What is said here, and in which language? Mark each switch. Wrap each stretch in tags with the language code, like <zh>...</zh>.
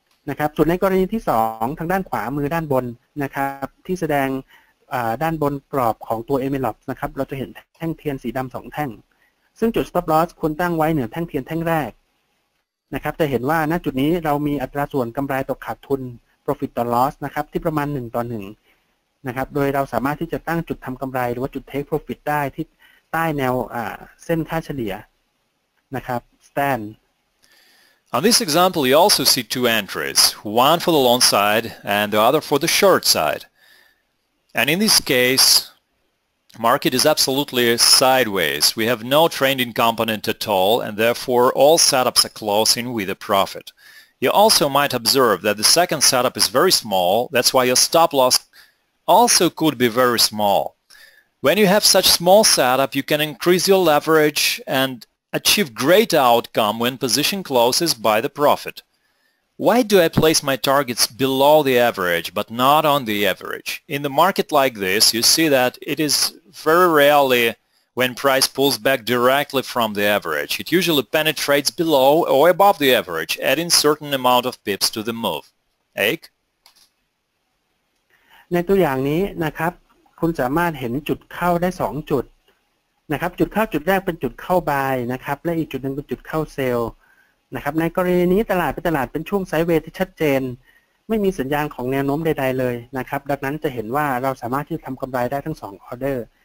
<th>นะครับส่วนในกรณีที่2ทางด้านขวามือด้านบนนะครับที่แสดงด้านบนกรอบของตัว envelope นะครับเราจะเห็นแท่งเทียนสีดํา2แท่งซึ่งจุด stop loss ควรตั้งไว้เหนือแท่งเทียนแท่งแรกนะครับจะเห็นว่าณจุดนี้เรามีอัตราส่วนกำไรต่อขาดทุน profit to loss นะครับที่ประมาณ1:1นะครับโดยเราสามารถที่จะตั้งจุดทำกำไรหรือว่าจุด take profit ได้ที่ใต้แนวเส้นค่าเฉลี่ยนะครับ Stan</th> <en>On this example you also see two entries one for the long side and the other for the short side and in this caseMarket is absolutely sideways. We have no trending component at all, and therefore all setups are closing with a profit. You also might observe that the second setup is very small. That's why your stop loss also could be very small. When you have such small setup, you can increase your leverage and achieve great outcome when position closes by the profit. Why do I place my targets below the average but not on the average? In the market like this, you see that it is very rarely when price pulls back directly from the average. It usually penetrates below or above the average, adding certain amount of pips to the move. Eric?</en> <th>ในตัวอย่างนี้นะครับคุณสามารถเห็นจุดเข้าได้2จุดนะครับจุดเข้าจุดแรกเป็นจุดเข้าบายนะครับและอีกจุดหนึ่งเป็นจุดเข้าเซลล์นะครับในกรณีนี้ตลาดเป็นตลาดเป็นช่วงไซด์เวย์ที่ชัดเจนไม่มีสัญญาณของแนวโน้มใดๆเลยนะครับดังนั้นจะเห็นว่าเราสามารถที่จะทำกำไรได้ทั้ง2ออเดอร์</th>